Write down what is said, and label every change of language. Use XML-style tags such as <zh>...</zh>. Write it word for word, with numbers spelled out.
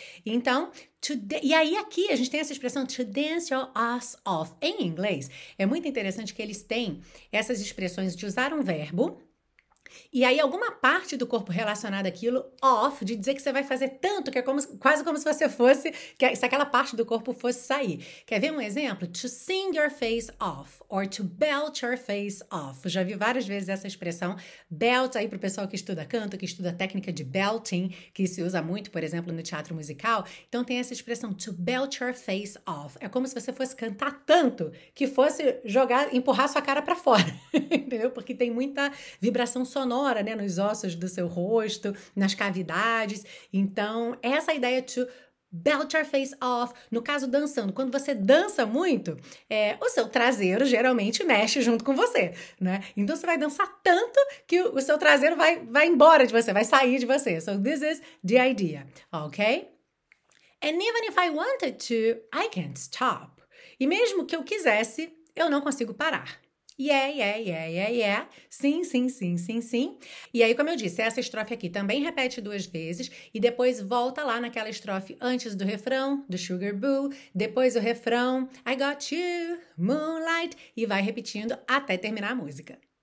<pt>Então, to da- e aí aqui a gente tem essa expressão to dance your ass off. Em inglês, é muito interessante que eles têm essas expressões de usar um verbo, e aí alguma parte do corpo relacionada àquilo, off, de dizer que você vai fazer tanto, que é como, quase como se você fosse, que se aquela parte do corpo fosse sair. Quer ver um exemplo?</pt> <en>To sing your face off, or to belt your face off.</en> <pt>Eu já vi várias vezes essa expressão, belt, aí pro pessoal que estuda canto, que estuda técnica de belting, que se usa muito, por exemplo, no teatro musical. Então tem essa expressão, to belt your face off. É como se você fosse cantar tanto, que fosse jogar, empurrar sua cara pra fora, entendeu? Porque tem muita vibração sonora, né, nos ossos do seu rosto, nas cavidades. Então, essa ideia de belt your face off, no caso dançando, quando você dança muito, é, o seu traseiro geralmente mexe junto com você, né? Então, você vai dançar tanto que o, o seu traseiro vai, vai embora de você, vai sair de você.</pt> <en>So, this is the idea, ok? And even if I wanted to, I can't stop.</en> <pt>E mesmo que eu quisesse, eu não consigo parar.</pt> <en>Yeah, yeah, yeah, yeah, yeah.</en> <pt>Sim, sim, sim, sim, sim. E aí, como eu disse, essa estrofe aqui também repete duas vezes e depois volta lá naquela estrofe antes do refrão, do Sugar Boo, depois o refrão,</pt> <en>I got you, moonlight,</en> <pt>e vai repetindo até terminar a música.</pt>